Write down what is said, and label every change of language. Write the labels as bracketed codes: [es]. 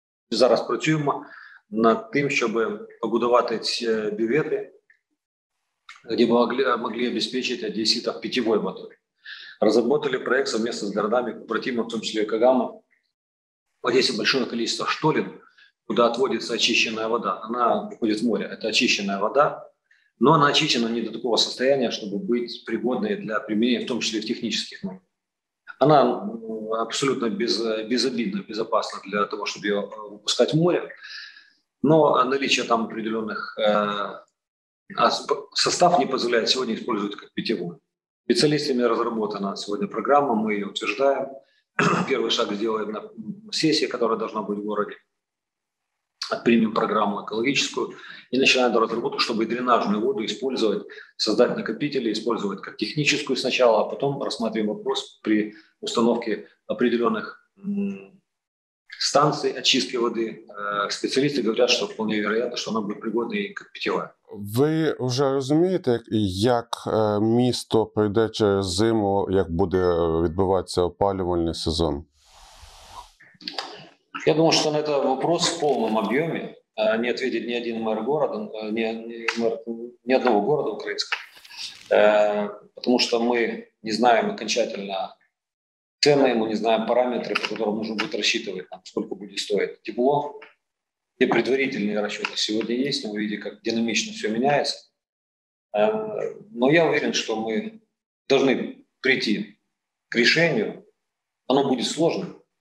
[uk] Зараз працюємо над тим, щоб побудувати ці бювети, [ru] где мы могли обеспечить одесситов питьевой водой. Разработали проект совместно с городами, кооперативами, в том числе и Кагама. В Одессе большое количество штолен, куда отводится очищенная вода. Она выходит в море, это очищенная вода, но она очищена не до такого состояния, чтобы быть пригодной для применения, в том числе и в технических нуждах. Она абсолютно безобидна, безопасна для того, чтобы ее выпускать в море. Но наличие там определенных... А состав не позволяет сегодня использовать как питьевую. Специалистами разработана сегодня программа, мы ее утверждаем. Первый шаг сделаем на сессии, которая должна быть в городе. Примем программу экологическую и начинаем разработку, чтобы дренажную воду использовать, создать накопители, использовать как техническую сначала, а потом рассматриваем вопрос при установке определенных станции очистки воды. Специалисты говорят, что вполне вероятно, что она будет пригодна и как питьевая. [uk] Ви вже розумієте, як місто пройде через зиму, як буде відбуватися опалювальний сезон? Я думаю, що на цей вопрос в повному об'ємі не відповідає ні один мер міста, ні одного міста українського. [ru] потому что мы не знаем окончательно цены, мы не знаем параметры, по которым нужно будет рассчитывать, там, сколько будет стоить тепло. И предварительные расчеты сегодня есть, но вы видите, как динамично все меняется. Но я уверен, что мы должны прийти к решению. Оно будет сложно.